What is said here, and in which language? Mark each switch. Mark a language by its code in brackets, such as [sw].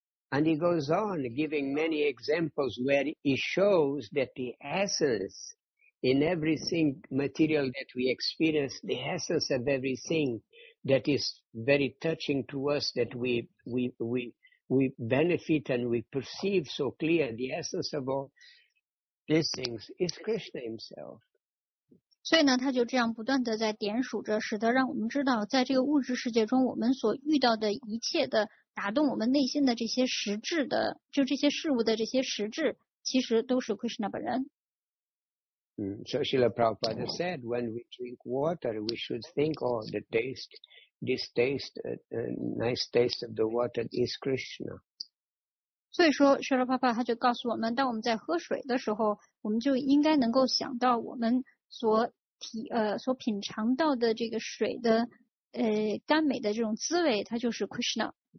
[en] And he goes on giving many examples where he shows that the essence in everything material that we experience, the essence of everything that is very touching to us, that we benefit and we perceive so clear, the essence of all these things is Krishna himself. [zh] 所以呢，他就这样不断地在点数着，使得让我们知道，在这个物质世界中，我们所遇到的一切的打动我们内心的这些实质的，就这些事物的这些实质，其实都是 Krishna 本人。 [en] So Srila Prabhupada said, when we drink water, we should think, oh, the taste, this taste, nice taste of the water is Krishna. [zh] 所以说 Srila Prabhupada 他就告诉我们，当我们在喝水的时候，我们就应该能够想到我们所品尝到的这个水的甘美的这种滋味，它就是 Krishna。